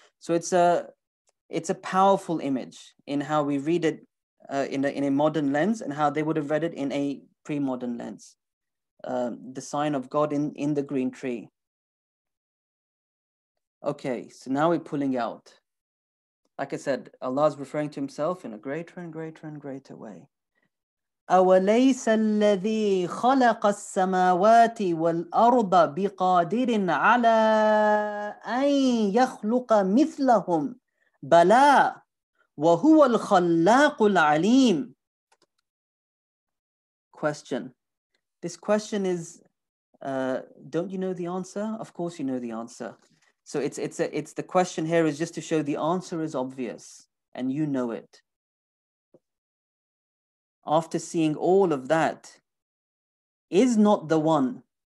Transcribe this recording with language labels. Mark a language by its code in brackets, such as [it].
[en] So it's a powerful image in how we read it in a modern lens, and how they would have read it in a pre-modern lens. The sign of God in the green tree. Okay, so now we're pulling out. Like I said, Allah is referring to himself in a greater and greater and greater way. [ar] أوليس الذي خلق السماوات والأرض بقادر على أن يخلق مثلهم بلى وهو الخلاق العليم. [en] Question. This question is, don't you know the answer? Of course you know the answer. So it's the question here is just to show the answer is obvious and you know it. After seeing all of that, is not the one.